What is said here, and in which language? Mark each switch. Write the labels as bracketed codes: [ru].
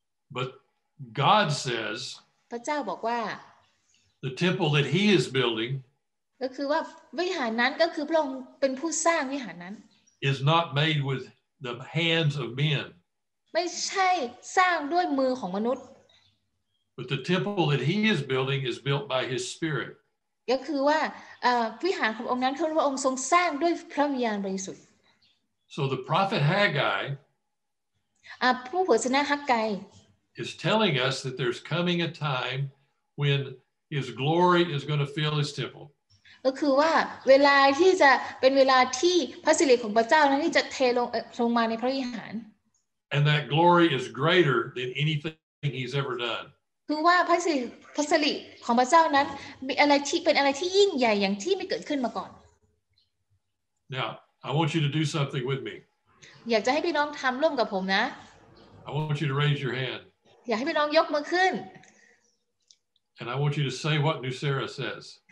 [en] But God says. The temple that he is building [th] ก็คือว่าวิหารนั้นก็คือพระองค์เป็นผู้สร้างวิหารนั้น [en] is not made with the hands of men [th] ไม่ใช่สร้างด้วยมือของมนุษย์ [en] but the temple that he is building is built by his spirit [th] ก็คือว่าวิหารขององค์นั้นคือพระองค์ทรงสร้างด้วยพระวิญญาณบริสุทธิ์ [en] so the prophet Haggai [th] ผู้เผยพระชนะฮักไก [en] is telling us that there's coming a time whenHis glory is going to fill his temple. [th] ก็คือว่าเวลาที่จะเป็นเวลาที่พระสิริของพระเจ้านั้นที่จะเทลงมาในพระวิหาร [en] And that glory is greater than anything he's ever done. [th] ก คือว่าพระสิริของพระเจ้านั้นมีอะไรที่เป็นอะไรที่ยิ่งใหญ่อย่างที่ไม่เกิดขึ้นมาก่อน [en] Now I want you to do something with me [th] อยากจะให้พี่น้องทำร่วมกับผมนะ [en] I want you to raise your hand [th] อยากให้พี่น้องยกมือขึ้น [en] And I want you to say what Nusera says